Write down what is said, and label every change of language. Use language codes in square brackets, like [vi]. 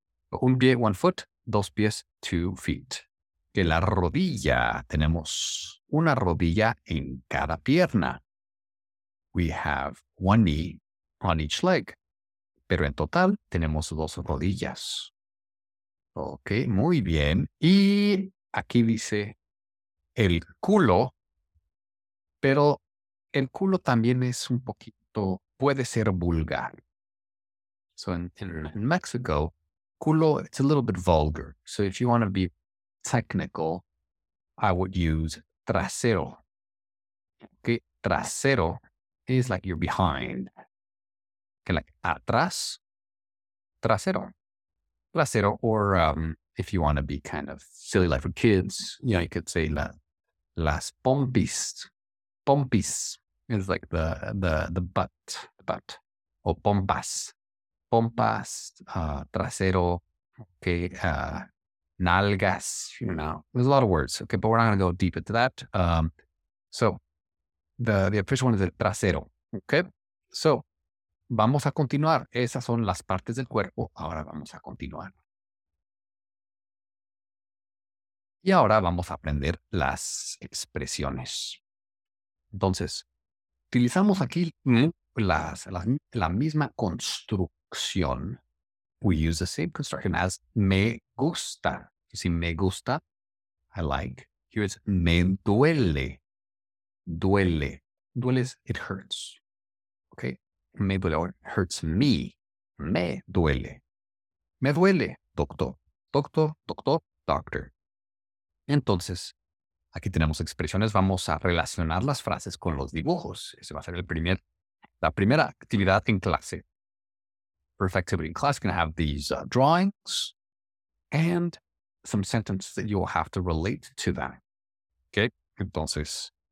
[es] Un pie, [en] one foot, [es] dos pies, [en] two feet. [es] Que la rodilla, tenemos una rodilla en cada pierna. [en] We have one knee on each leg. [es] Pero en total, tenemos dos rodillas. Ok, muy bien. Y aquí dice el culo. Pero el culo también es un poquito, puede ser vulgar. [en] So in Mexico, culo, it's a little bit vulgar. So if you want to be technical, I would use trasero. Okay, trasero is like you're behind. Okay, like atrás, trasero. Trasero, or if you want to be kind of silly like for kids, you know, you could say las pompis. Pompis is like the butt. O pompas. Pompas, trasero, okay, nalgas, you know, there's a lot of words. Okay, but we're not going to go deep into that. So the official one is the trasero. [es] Okay, so vamos a continuar. Esas son las partes del cuerpo. Ahora vamos a continuar. Y ahora vamos a aprender las expresiones. Entonces, utilizamos aquí la misma construcción. [en] We use the same construction as me gusta. You see, me gusta, I like. Here it's me duele. Duele. Duele is it hurts. Okay? Me duele or hurts me. [es] Me duele. Me duele, doctor. Doctor, doctor, doctor. Entonces, aquí tenemos expresiones. Vamos a relacionar las frases con los dibujos. Ese va a ser la primera actividad en clase. [en] First activity in class, going to have these drawings. And some sentences that you will have to relate to that. Okay, entonces,